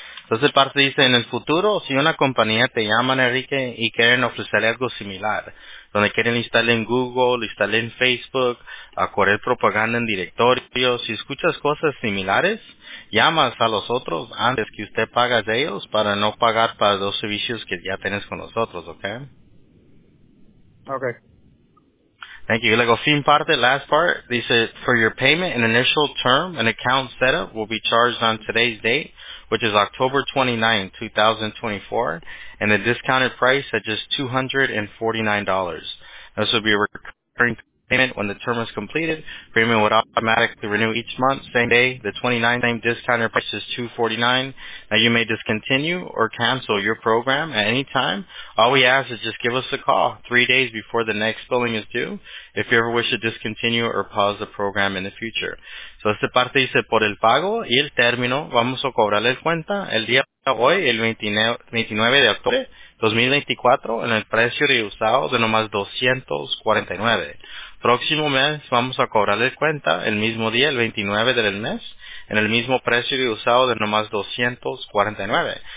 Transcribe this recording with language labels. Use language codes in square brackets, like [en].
[es] Entonces parte dice, en el futuro, si una compañía te llama, Enrique, y quieren ofrecerle algo similar, donde quieren instalar en Google, instalar en Facebook, a correr propaganda en directorios, si escuchas cosas similares, llamas a los otros antes que usted pagas de ellos para no pagar para los servicios que ya tienes con nosotros, okay? Okay. [en] Thank you. [es] Luego, fin parte, [en] last part. [es] Dice, [en] for your payment and initial term, an account setup will be charged on today's date, which is October 29, 2024, and the discounted price at just $249. This will be a recurring payment when the term is completed. Payment would automatically renew each month, same day, the 29th, same discounted price is $249. Now, you may discontinue or cancel your program at any time. All we ask is just give us a call 3 days before the next billing is due if you ever wish to discontinue or pause the program in the future. So, [es] esta parte dice, por el pago y el término, vamos a cobrarle el cuenta el día de hoy, el 29 de octubre, 2024, en el precio de usado de nomás $249. Próximo mes vamos a cobrarle cuenta el mismo día, el 29 del mes, en el mismo precio de usado de nomás $249.